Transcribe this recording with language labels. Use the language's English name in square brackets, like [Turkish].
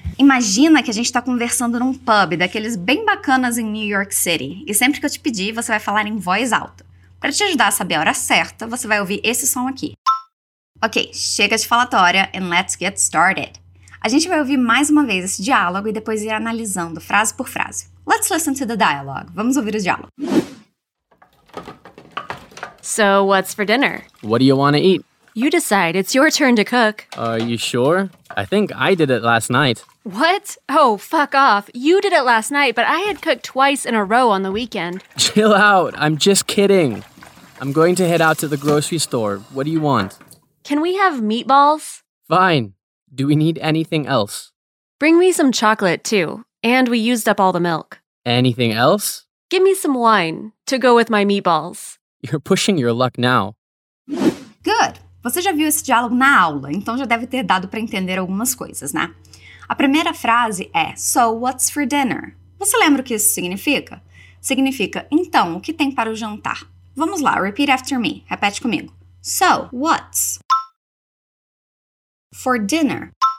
[Portuguese] Imagina que a gente está conversando num pub daqueles bem bacanas em New York City. E sempre que eu te pedir, você vai falar em voz alta. Para te ajudar a saber a hora certa, você vai ouvir esse som aqui. Ok, chega de falatória [English] and let's get started. [Portuguese] A gente vai ouvir mais uma vez esse diálogo e depois ir analisando frase por frase. [English] Let's listen to the dialogue. [Portuguese] Vamos ouvir o diálogo. [English] So, what's for dinner? What do you want to eat? You decide. It's your turn to cook. Are you sure? I think I did it last night. What? Oh, fuck off. You did it last night, but I had cooked twice in a row on the weekend. Chill out. I'm just kidding. I'm going to head out to the grocery store. What do you want? Can we have meatballs? Fine. Do we need anything else? Bring me some chocolate, too. And we used up all the milk. Anything else? Give me some wine to go with my meatballs. You're pushing your luck now. Good. [Portuguese] Você já viu esse diálogo na aula, então já deve ter dado para entender algumas coisas, né? A primeira frase é, [English] so what's for dinner? [Portuguese] Você lembra o que isso significa? Significa, então, o que tem para o jantar? Vamos lá, [English] repeat after me, [Portuguese] repete comigo. [English] So, what's for dinner?